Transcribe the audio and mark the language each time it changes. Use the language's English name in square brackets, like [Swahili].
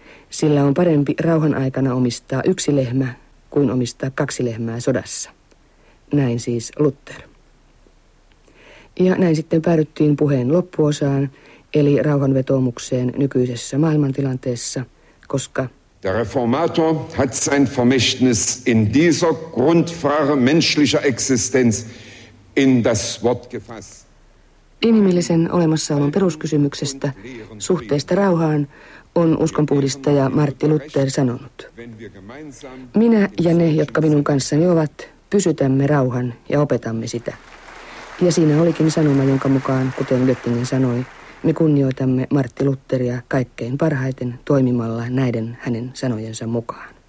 [Finnish] Sillä on parempi rauhan aikana omistaa 1 lehmä kuin omistaa 2 lehmää sodassa. Näin siis Luther. Ja näin sitten päädyttiin puheen loppuosaan, eli rauhanvetoomukseen nykyisessä maailmantilanteessa, koska [German] der Reformator hat sein Vermächtnis in dieser Grundfrage menschlicher Existenz in das Wort gefasst. [Finnish] Inhimillisen olemassaolon peruskysymyksestä, suhteesta rauhaan, on uskonpuhdistaja Martti Luther sanonut. Minä ja ne, jotka minun kanssani ovat, pysytämme rauhan ja opetamme sitä. Ja siinä olikin sanoma, jonka mukaan, kuten Göttingen sanoi, me kunnioitamme Martti Lutheria kaikkein parhaiten toimimalla näiden hänen sanojensa mukaan.